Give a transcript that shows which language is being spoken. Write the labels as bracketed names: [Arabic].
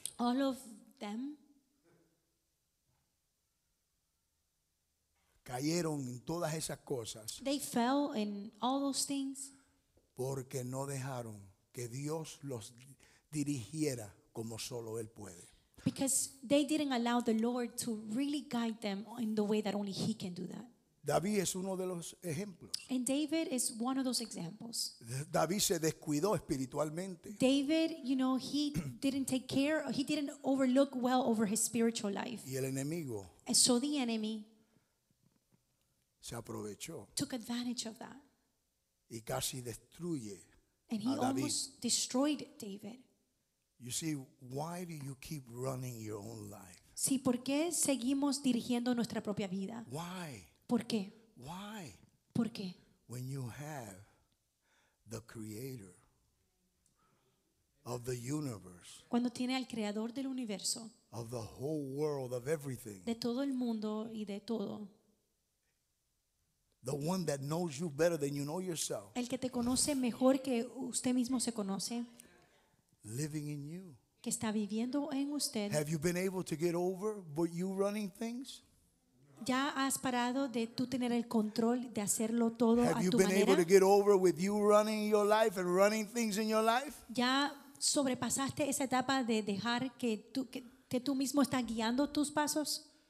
[English] All of them. [Spanish] Cayeron en todas esas cosas. [English] They fell in all those things. [Spanish] Porque no dejaron que Dios los dirigiera como solo Él puede. [English] Because they didn't allow the Lord to really guide them in the way that only He can do that. [Spanish] David es uno de los ejemplos. [English] And David is one of those examples. [Spanish] David se descuidó espiritualmente. [English] David, you know, he didn't take care, he didn't overlook well over his spiritual life. [Spanish] Y el enemigo. [English] And so the enemy [Spanish] se aprovechó. [English] Took advantage of that. [Spanish] Y casi destruye [English] and he [Spanish] a David. [English] Almost destroyed David. You see, why do you keep running your own life? [Spanish] Sí, ¿por qué seguimos dirigiendo nuestra propia vida? [English] Why? [Spanish] ¿Por qué? [English] Why? [Spanish] ¿Por qué? [English] When you have the creator of the universe. [Spanish] Cuando tiene al creador del universo. [English] Of the whole world, of everything. [Spanish] De todo el mundo y de todo. [English] The one that knows you better than you know yourself. [Spanish] El que te conoce mejor que usted mismo se conoce. [English] Living in you. [Spanish] Que está viviendo en usted. [English] Have you been able to get over but you running things? [Spanish] ¿Ya has parado de tú tener el control de hacerlo todo [English] have [Spanish] a tu [English] you been [Spanish] manera? [English] Able to get over with you running your life and running things in your life? [Spanish] ¿Ya sobrepasaste esa etapa de dejar que tú mismo estás guiando tus pasos?